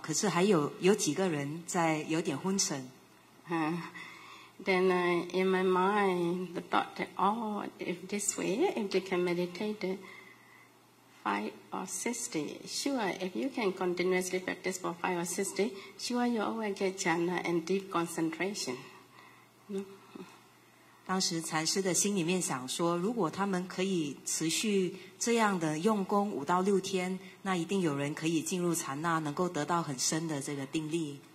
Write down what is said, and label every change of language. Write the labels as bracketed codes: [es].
[zh] 那在打坐的时候呢，禅师有进来看看这每个人的样子，那觉得说大家做得很好，因为这个专注的也很好，可是还有几个人在有点昏沉。 [en] Then in my mind, the thought that, oh, if this way, if they can meditate 5 or 6 days, sure, if you can continuously practice for 5 or 6 days, sure, you always get jhāna and deep concentration. No? [zh] 当时禅师的心里面想说，如果他们可以持续这样的用功5到6天，那一定有人可以进入禅那，能够得到很深的这个定力。